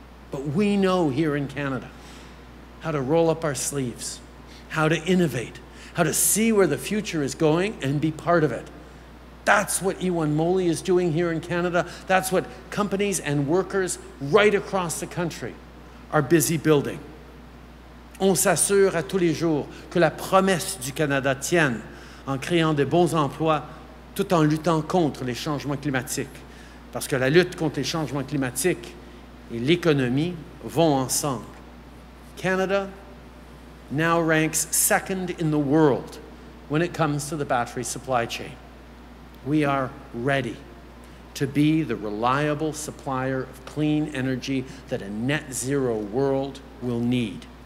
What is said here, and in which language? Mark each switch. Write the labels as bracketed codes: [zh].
[en] But we know here in Canada how to roll up our sleeves, how to innovate, how to see where the future is going and be part of it. That's what E1 Moly is doing here in Canada. That's what companies and workers right across the country are busy building. [fr] On s'assure à tous les jours que la promesse du Canada tienne en créant de bons emplois tout en luttant contre les changements climatiques. Parce que la lutte contre les changements climatiques et l'économie vont ensemble. [en] Canada now ranks second in the world when it comes to the battery supply chain. We are ready to be the reliable supplier of clean energy that a net zero world will need.